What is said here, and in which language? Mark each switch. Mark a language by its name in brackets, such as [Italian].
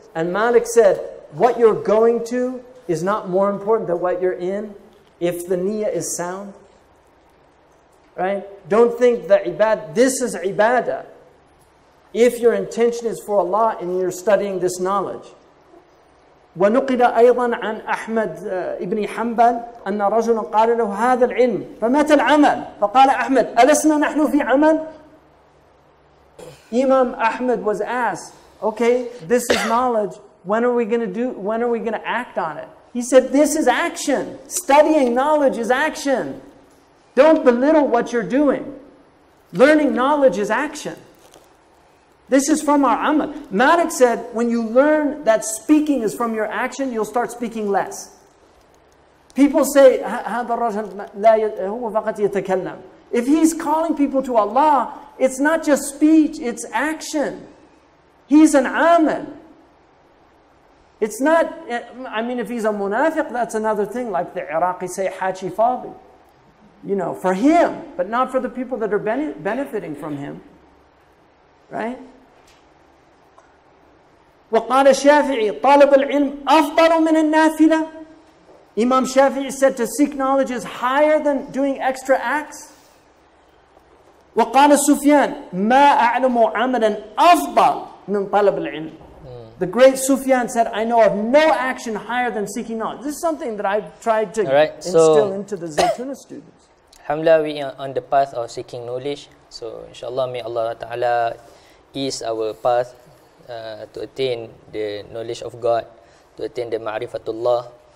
[English] And Malik said, what you're going to is not more important than what you're in if the niyyah is sound. Right? Don't think that this is ibadah if your intention is for Allah and you're studying this knowledge. [Arabic] ونقل أيضا عن أحمد ابن حنبل أن رجلا قال له هذا العلم فمتى العمل فقال أحمد ألسنا نحن في عمل [English] Imam Ahmad was asked, okay, this is knowledge, when are we going to act on it? He said, this is action. Studying knowledge is action. Don't belittle what you're doing. Learning knowledge is action. This is from our amal. Malik said, when you learn that speaking is from your action, you'll start speaking less. People say, [Arabic] هذا الرجل لا هو فقط يتكلم. [English] If he's calling people to Allah, it's not just speech, it's action. He's an amal. It's not, I mean, if he's a munafiq, that's another thing, like the Iraqi say, Haji Fadi. You know, for him, but not for the people that are benefiting from him. Right? [Arabic] وقال الشافعي طالب العلم أفضل من النافلة. [English] Imam Shafi'i said to seek knowledge is higher than doing extra acts. [Arabic] وقال سفيان ما أعلم عملا أفضل من طلب العلم. [English] The great Sufyan said, I know of no action higher than seeking knowledge. This is something that I've tried to instill into the Zaytuna students. Alhamdulillah, we are on the path of seeking knowledge. So inshallah, may Allah Ta'ala ease our path to attain the knowledge of God, to attain the ma'rifatullah,